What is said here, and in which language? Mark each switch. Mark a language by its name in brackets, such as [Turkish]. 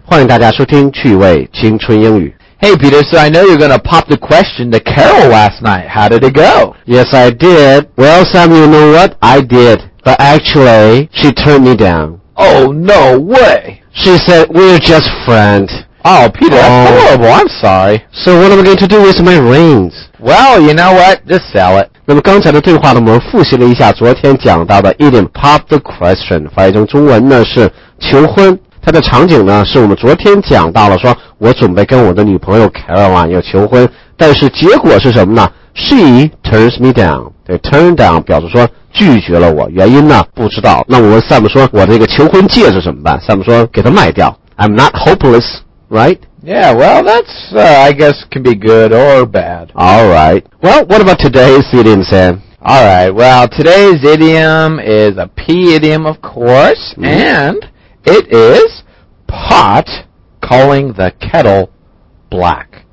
[Chinese] 欢迎大家收听趣味青春英语。 [English] Hey, Peter, so I know you're going to pop the question, the carol last night. How did it go? Yes, I did. Well, Sam, you know what? I did. But actually, she turned me down. Oh, no way. She said, we're just friends. Oh, Peter, that's horrible. I'm sorry. So what am I going to do with my rings? Well, you know what? Just sell it. [Chinese] 那么刚才的对话呢，我们复习了一下昨天讲到的 idiom pop the question， 翻译成中文呢是求婚。它的场景呢是我们昨天讲到了，说我准备跟我的女朋友 Caroline 要求婚，但是结果是什么呢？ [English] She turns me down， [Chinese] 对， turn down 表示说拒绝了我，原因呢不知道。那我问 Sam 说我这个求婚戒指怎么办？ Sam 说给它卖掉。 [English] I'm not hopeless, right? Yeah, well, that's, I guess, can be good or bad. All right. Well, what about today's idiom, Sam? All right. Well, today's idiom is a P idiom, of course,、mm-hmm. and it is pot calling the kettle black.、